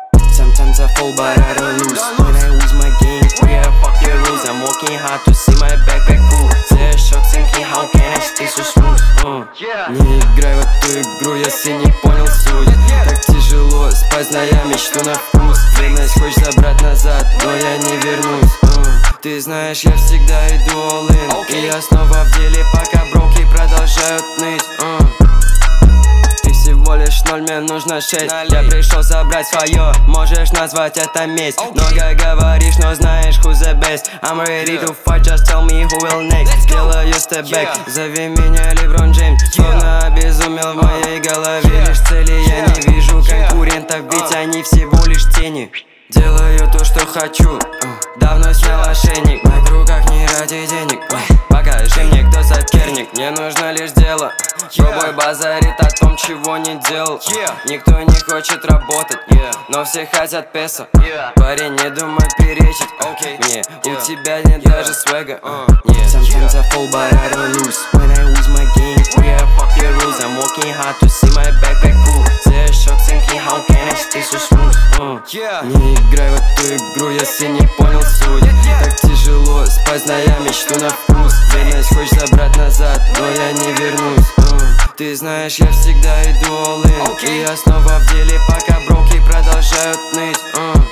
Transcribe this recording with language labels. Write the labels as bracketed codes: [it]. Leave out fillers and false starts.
[en] Sometimes I fall, but I don't lose. When I lose my game, we have fuck your rules. I'm working hard to see my backpack full. Zero shots, thinking how can I stay so smooth? [ru] Не играй в эту игру, если не понял суть. Так тяжело спать, зная мечту на вкус. Верность хочешь забрать назад, но я не вернусь. Ты знаешь, я всегда иду [en] all in. [ru] И я снова в деле, пока броки продолжают ныть. Всего лишь ноль, мне нужно шесть. Я пришел забрать свое, можешь назвать это месть. Много говоришь, но знаешь, [en] who's the best. I'm ready to fight, just tell me who will next. [ru] Делаю [en] step back, [ru] зови меня [en] LeBron James. [ru] Словно обезумел в моей голове лишь цели. Я не вижу конкурентов, ведь они всего лишь тени. Делаю то, что хочу, давно снял ошейник. На кругах не ради денег, покажи мне, кто соперник. Мне нужно лишь дело, пробуй базарит о том, чего не делал. Никто не хочет работать, но все хотят песо. Парень, не думай перечить, мне, у тебя нет даже свега. [en] Sometimes I fall, but I don't lose. When I lose my game, we are fuck your rules. I'm working hard to see my backpack full. Zero shots, thinking how can I stay so smooth. [ru] Не играй в эту игру, если не понял суть. Так тяжело спать, зная мечту на вкус. Верность хочешь забрать назад, но я не вернусь. Ты знаешь, я всегда иду [en] all in. [ru] И я снова в деле, пока броки продолжают ныть.